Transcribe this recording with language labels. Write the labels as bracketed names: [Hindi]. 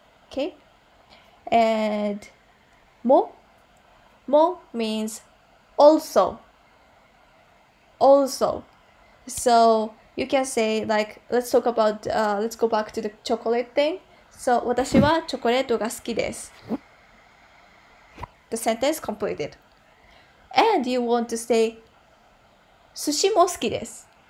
[English] Okay, and mo means also. So you can say like, let's talk about let's go back to the chocolate thing. [Japanese] So 私はチョコレートが好きです. [English] The sentence completed, and you want to say sushi [Japanese] も好きです.